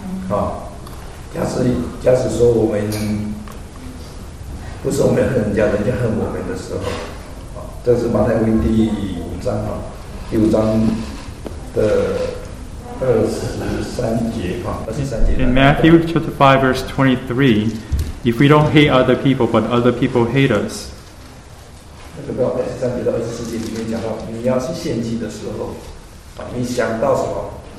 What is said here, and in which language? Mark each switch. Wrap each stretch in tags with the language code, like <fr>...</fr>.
<zh>啊，假使说我们不是我们恨人家，人家恨我们的时候，啊，这是马太福音第五章啊，第五章的23节啊，23节。</zh> <en>In Matthew chapter 5 verse 23, if we don't hate other people, but other people hate us.</en> <zh>那个到23节到24节里面讲到，你要去献祭的时候。你想到什么？</zh>